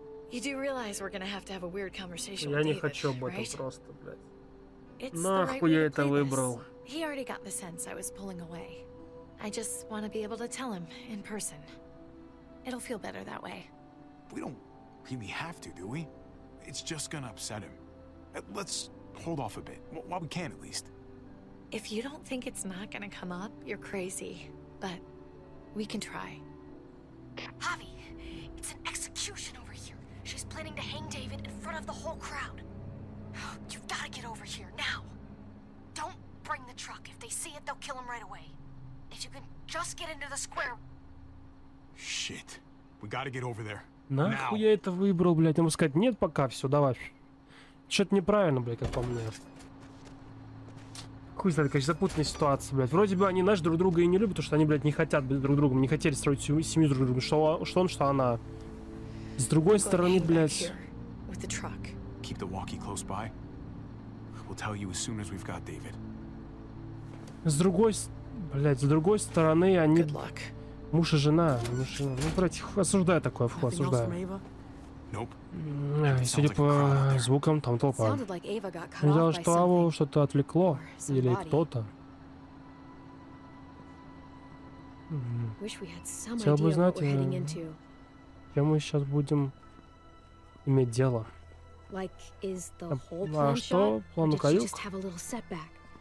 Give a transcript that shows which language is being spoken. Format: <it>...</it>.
<en>You do realize we're gonna have to have a weird conversation with David, right?</en> <ru>Я не хочу об этом просто, блядь. Нахуй я это выбрал?</ru> <en>He already got the sense I was pulling away. I just want to be able to tell him in person. It'll feel better that way. We don't really have to, do we? It's just gonna upset him. Let's hold off a bit, while we can at least. If you don't think it's not gonna come up, you're crazy. But we can try. Javi, it's an execution over here. She's planning to hang David in front of the whole crowd. You've got to get over here now. Don't bring the truck. If they see it, they'll kill him right away. If you can just get into the square. Shit. We got to get over there.</en> <ru>Нахуй я это выбрал, блядь? Ему сказать нет, пока все, давай. Что-то неправильно, блядь, как по мне. Хуй знает, конечно, запутанная ситуация, блядь. Вроде бы они, знаешь, друг друга и не любят, потому что они, блядь, не хотят быть друг другом, не хотели строить семью друг другом. Что, что он, что она. С другой стороны, блядь.</ru> <en>Keep the walkie close by. We'll tell you as soon as we've got David.</en> <ru>С другой, блядь, с другой стороны, они муж и жена, муж и... Ну, братья, осуждаю такой вход, осуждаю.</ru> <en>Nope.</en> <ru>Судя по звукам, там толпа. Мне казалось, что Аву что-то отвлекло, или кто-то. Хотел бы знать, кем мы сейчас будем иметь дело.</ru> <en>Like, is the whole plan shot, or did you just have a little setback?</en>